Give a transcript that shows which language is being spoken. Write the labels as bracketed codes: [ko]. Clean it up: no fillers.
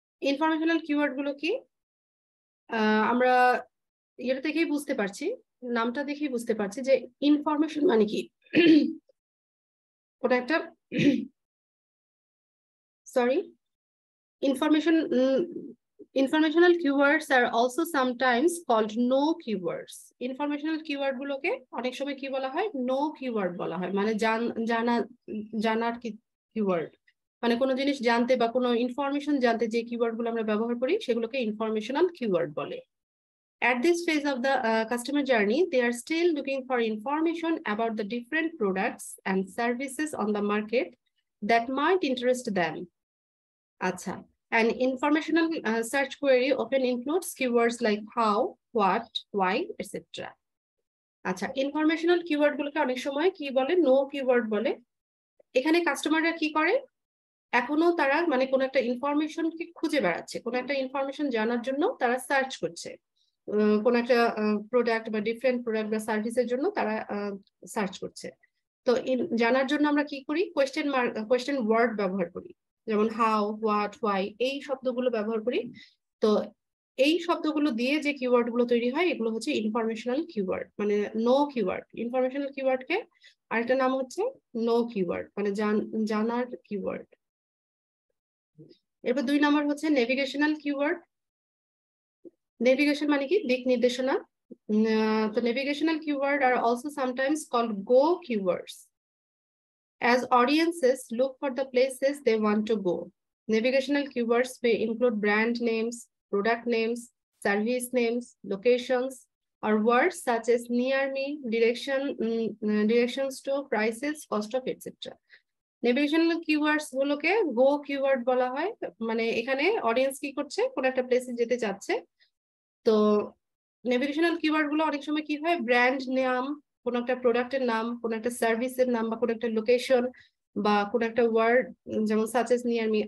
[bn] Informational keyword গুলো কি, আমরা এটা দেখেই বুঝতে পারছি, নামটা দেখেই বুঝতে পারছি যে ইনফরমেশন মানে কি, ওটা একটা sorry information, [en] Informational keywords are also sometimes called know keywords. [bn] Informational keyword গুলোকে অনেক সময় কি বলা হয়, নো কিওয়ার্ড বলা হয়, মানে জানা জানার কিওয়ার্ড, মানে কোনো জিনিস জানতে বা কোনো ইনফরমেশন জানতে যে কিওয়ার্ড গুলো আমরা ব্যবহার করি সেগুলোকে ইনফরমেশনাল কিওয়ার্ড বলে। [en] At this phase of the customer journey, they are still looking for information about the different products and services on the market that might interest them. Acha. An informational search query often includes keywords like how, what, why, etc. [bn] Acha. Informational keyword gulo ke onek shomoy ki bole, no keyword bole. Ekhane customer ra ki kore, এখনো তারা মানে কোন একটা information কে খুঁজে বেড়াচ্ছে, কোন একটা information জানার জন্য তারা সার্চ করছে, কোন একটা প্রোডাক্ট বা ডিফারেন্ট প্রোডাক্ট বা সার্ভিসের জন্য তারা সার্চ করছে। তো জানার জন্য আমরা কি করি, কোয়েশ্চেন মার্ক, কোয়েশ্চেন ওয়ার্ড ব্যবহার করি, যেমন হাউ, হোয়াট, ওয়াই এই শব্দগুলো ব্যবহার করি। তো এই শব্দগুলো দিয়ে যে কিওয়ার্ড গুলো তৈরি হয় এগুলো হচ্ছে ইনফরমেশনাল কিওয়ার্ড, মানে নো কিওয়ার্ড। ইনফরমেশনাল কিওয়ার্ড কে আরেকটা নাম হচ্ছে নো কিওয়ার্ড, মানে জানার কিওয়ার্ড। এরপর দুই নম্বর হচ্ছে নেভিগেশনাল কিওয়ার্ড। নেভিগেশন মানে কি, দিক নির্দেশনা। [en] তো navigational keyword are also sometimes called go keywords as audiences look for the places they want to go. Navigational keywords may include brand names, product names, service names, locations, or words such as near me, directions to prices, cost of, etc. [bn] Navigational keywords গুলোকে go keyword বলা হয়, মানে এখানে audience কি করছে, কোন একটা place যেতে যাচ্ছে, তো navigational keywords গুলো অনেক সময় কি হয়, brand name, কোন একটা product এর নাম, কোন একটা service এর নাম, বা কোন একটা location, বা কোন একটা word, যেমন such as near me.